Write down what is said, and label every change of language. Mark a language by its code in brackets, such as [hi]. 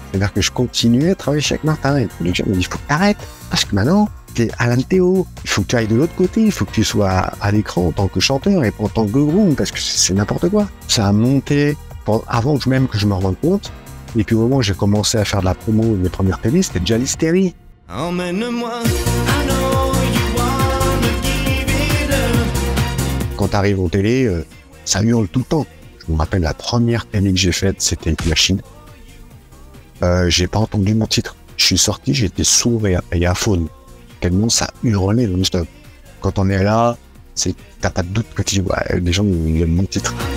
[fr] C'est-à-dire que je continuais à travailler chaque matin. Et les gens me disent, faut que t'arrête, parce que maintenant, t'es Alain Théo. Il faut que tu ailles de l'autre côté, il faut que tu sois à l'écran en tant que chanteur et pas en tant que groom, parce que c'est n'importe quoi. Ça a monté avant même que je me rende compte. Et puis au moment où j'ai commencé à faire de la promo de mes premières télés, c'était déjà l'hystérie. [en] Emmène-moi, I know you wanna give it up. [fr] Quand t'arrives en télé, ça hurle tout le temps. Je me rappelle la première télé que j'ai faite, c'était avec la Chine. J'ai pas entendu mon titre. Je suis sorti, j'étais sourd et à faune. Tellement ça hurlait dans le stop. Quand on est là, t'as pas de doute que les gens aiment mon titre.